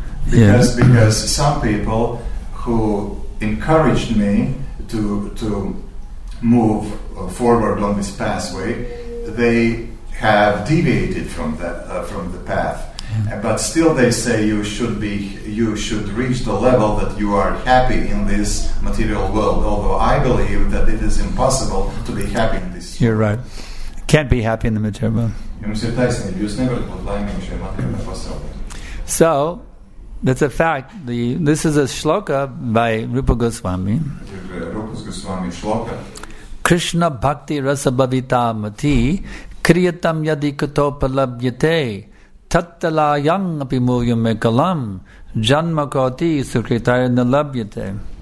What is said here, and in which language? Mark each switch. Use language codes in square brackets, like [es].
[en] Because some people who encouraged me to move forward on this pathway, they have deviated from the path. Yeah. But still they say you should reach the level that you are happy in this material world, although I believe that it is impossible to be happy in this. You're right. Can't be happy in the material world. [lv] Jums ir taisnība, jūs nevarat būt laimīgi šajā materiālajā pasaulē. [en] So, that's a fact. This is a shloka by Rupa Goswami. Rupa Goswami shloka. [sa] Krishna bhakti rasa bhavita mati kriyatam yadi kato palabhyate tattala yang api muyum ekalam janma koti sukritaya nalabhyate.